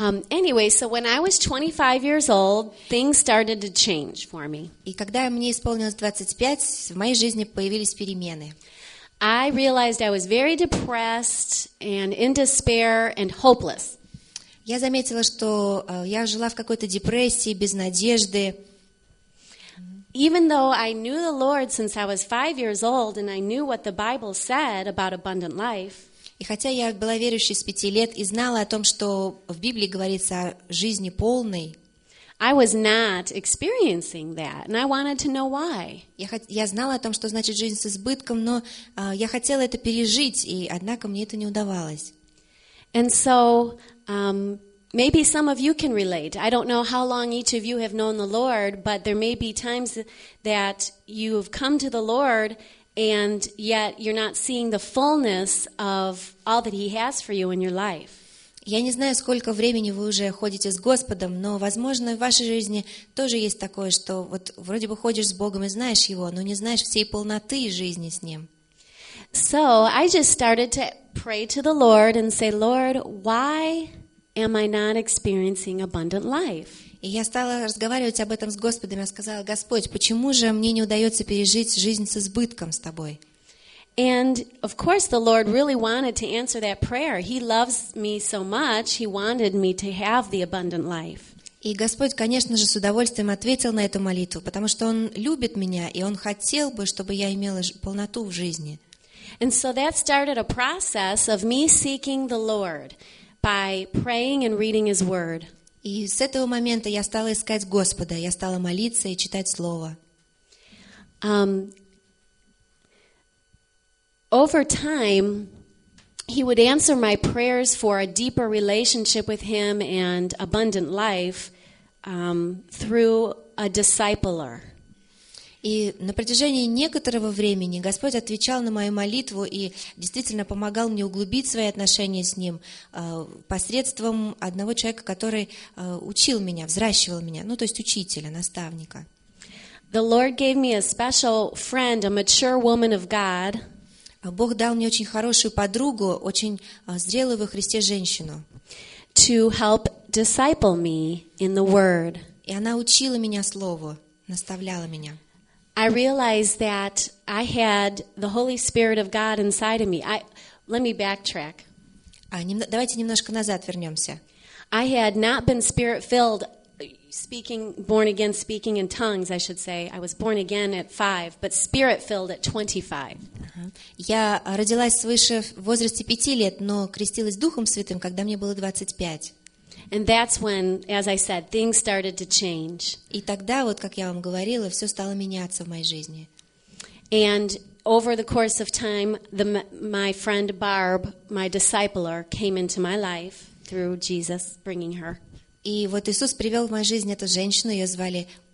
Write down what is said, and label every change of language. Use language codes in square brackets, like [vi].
[en] Anyway, so when I was 25 years old, things started to change for me. [ru] И когда мне исполнилось 25, в моей жизни появились перемены. [en] I realized I was very depressed and in despair and hopeless. [ru] Я заметила, что я жила в какой-то депрессии, без надежды. [en] Even though I knew the Lord since I was 5 years old and I knew what the Bible said about abundant life, [ru] и хотя я была верующей с 5 лет и знала о том, что в Библии говорится о жизни полной, [en] I was not experiencing that, and I wanted to know why. [ru] Я знала о том, что значит жизнь с избытком, но я хотела это пережить, и однако мне это не удавалось. [en] And so, maybe some of you can relate. I don't know how long each of you have known the Lord, but there may be times that you've come to the Lord and yet you're not seeing the fullness of all that he has for you in your life. [ru] Я не знаю, сколько времени вы уже ходите с Господом, но возможно, в вашей жизни тоже есть такое, что вот вроде бы ходишь с Богом и знаешь его, но не знаешь всей полноты жизни с ним. [en] So, I just started to pray to the Lord and say, "Lord, why am I not experiencing abundant life?" [ru] И я стала разговаривать об этом с Господом. Я сказала, Господь, почему же мне не удается пережить жизнь с избытком с Тобой? [en] And of course, the Lord really wanted to answer that prayer. He loves me so much. He wanted me to have the abundant life. [ru] И Господь, конечно же, с удовольствием ответил на эту молитву, потому что Он любит меня и Он хотел бы, чтобы я имела полноту в жизни. [en] And so that started a process of me seeking the Lord by praying and reading His Word. [ru] И с этого момента я стала искать Господа, я стала молиться и читать Слово. [en] Over time, He would answer my prayers for a deeper relationship with Him and abundant life through a discipler. [ru] И на протяжении некоторого времени Господь отвечал на мою молитву и действительно помогал мне углубить свои отношения с Ним посредством одного человека, который учил меня, взращивал меня, ну, то есть учителя, наставника. [en] The Lord gave me a special friend, a mature woman of God. [ru] Бог дал мне очень хорошую подругу, очень зрелую во Христе женщину. [en] To help disciple me in the Word. [ru] И она учила меня Слову, наставляла меня. [en] I realized that I had the Holy Spirit of God inside of me. Let me backtrack. [ru] Давайте немножко назад вернемся. [en] I had not been Spirit-filled, born again speaking in tongues, I should say. I was born again at 5, but Spirit-filled at 25. [ru] Я родилась свыше в возрасте 5 лет, но крестилась Духом Святым, когда мне было 25. [en] And that's when, as I said, things started to change. [ru] И тогда вот, как я вам говорила, всё стало меняться в моей жизни. [en] And over the course of time, my friend Barb, my discipler, came into my life through Jesus bringing her. [ru] И вот Иисус привёл в мою жизнь эту женщину, её звали